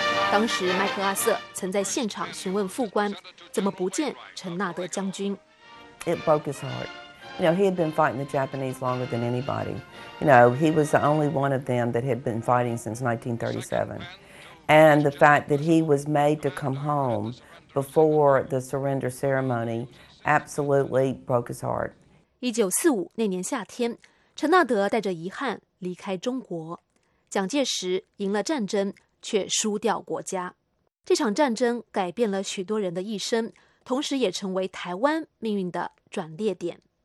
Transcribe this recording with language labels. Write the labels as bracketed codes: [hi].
[zh] 当时麦克阿瑟曾在现场询问副官，怎么不见陈纳德将军 [en] ？It broke his heart. You know, he had been fighting the Japanese longer than anybody. You know, he was the only one of them that had been fighting since 1937. And the fact that he was made to come home before the surrender ceremony absolutely broke his heart. [zh] 1945那年夏天，陈纳德带着遗憾离开中国。蒋介石赢了战争，却输掉国家。这场战争改变了许多人的一生，同时也成为台湾命运的转捩点。